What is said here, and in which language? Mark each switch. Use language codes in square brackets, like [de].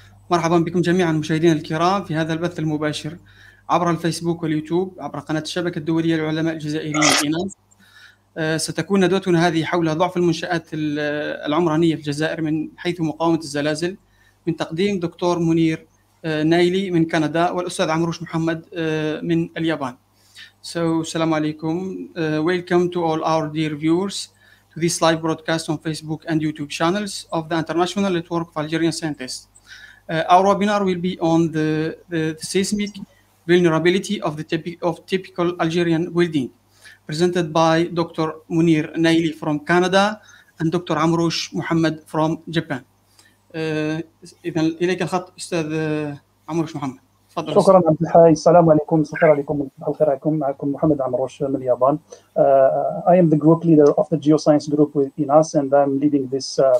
[ar] مرحبا بكم جميعا مشاهدينا الكرام في هذا البث المباشر عبر الفيسبوك واليوتيوب عبر قناة الشبكة الدولية للعلماء الجزائريين إناس. ستكون ندوتنا هذه حول ضعف المنشآت العمرانية في الجزائر من حيث مقاومة الزلازل، من تقديم دكتور منير نايلي من كندا والأستاذ عمروش محمد من اليابان. So, السلام عليكم. [en] Welcome to all our dear viewers to this live broadcast on Facebook and YouTube channels of the International Network of Algerian Scientists. Our webinar will be on the seismic vulnerability of the typical Algerian building, presented by Dr. Munir Naili from Canada and Dr. Amroush Mohammed from Japan. [ar] إذن إليك الخط أستاذ عمروش محمد. فضل. شكرا عبد الحي، السلام عليكم. شكرا لكم، الخير عليكم. معكم محمد عمروش من اليابان. [en] I am the group leader of the geoscience group with INAS and I'm leading this project.